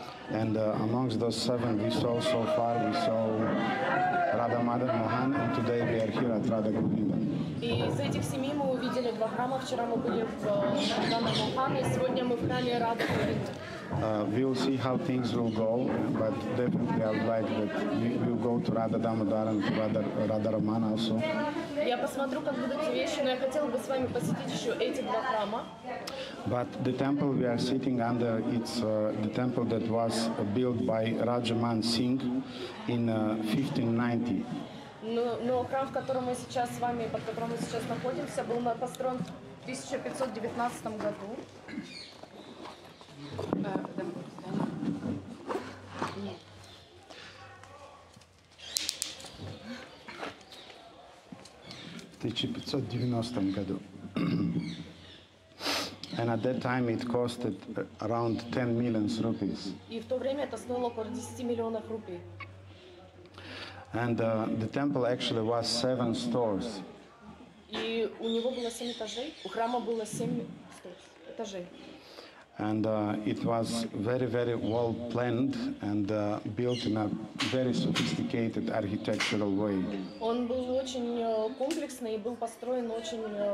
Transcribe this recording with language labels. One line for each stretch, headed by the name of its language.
English: And amongst those seven we saw so far, we saw Radha Madan Mohan, and today we are here at Radha Govinda.
Russian: И из этих семи мы увидели два храма. Вчера мы были в Радхамахане, сегодня мы в храме Радха Говинда.
English: We'll see how things will go, but definitely I would like that we'll go to Radha Damodar and to Radha Raman also.
Russian: Я посмотрю, как будут вещи, но я хотела бы с вами посетить еще эти два храма.
English: But the temple we are sitting under, it's the temple that was built by Rajaman Singh in 1590.
Russian: Но храм, в котором мы сейчас с вами, под которым мы сейчас находимся, был построен в 1519 году. В 1590 году.
English: And at that time it costed around 10 million rupees.
Russian: И в то время это стоило около 10 миллионов рупий.
English: And the temple actually was 7 stories.
Russian: И у него было 7 этажей, у храма было 7 этажей.
English: And it was very, very well planned and built in a very sophisticated architectural way.
Russian: Он был очень комплексный и был построен очень.